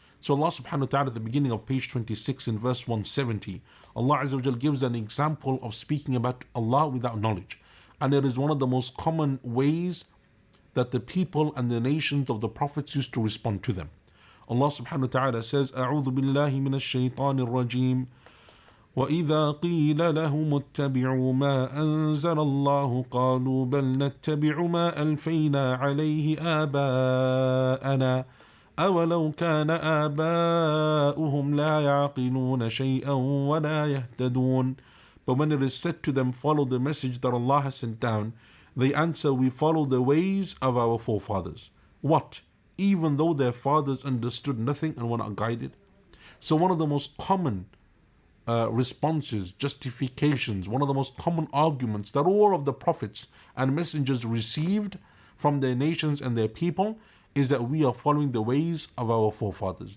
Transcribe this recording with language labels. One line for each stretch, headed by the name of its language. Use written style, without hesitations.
English: So Allah subhanahu wa ta'ala, at the beginning of page 26 in verse 170, Allah Azza wa Jalla gives an example of speaking about Allah without knowledge. And it is one of the most common ways that the people and the nations of the prophets used to respond to them. Allah subhanahu wa ta'ala says,
Arabic: أعوذ بالله من الشيطان الرجيم. وإذا قيل لهم اتبعوا ما أنزل الله قالوا بل نتبع ما ألفينا عليه آباءنا أولو كان آباؤهم لا يعقلون شيئا ولا يهتدون.
English: But when it is said to them, follow the message that Allah has sent down, they answer, we follow the ways of our forefathers. What? Even though their fathers understood nothing and were not guided? So one of the most common responses, justifications, one of the most common arguments that all of the prophets and messengers received from their nations and their people is that we are following the ways of our forefathers.